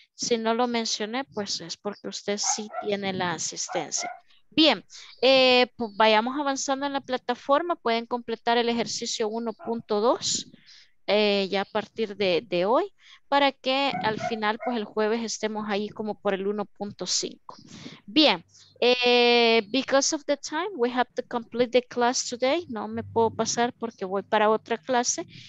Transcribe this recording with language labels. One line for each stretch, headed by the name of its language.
Spanish: Si no lo mencioné, pues es porque usted sí tiene la asistencia. Bien, pues vayamos avanzando en la plataforma. Pueden completar el ejercicio 1.2 ya a partir de hoy para que al final, pues el jueves estemos ahí como por el 1.5. Bien.
English: Because of the time, we have to complete the class today.
Spanish: No me puedo pasar porque voy para otra clase.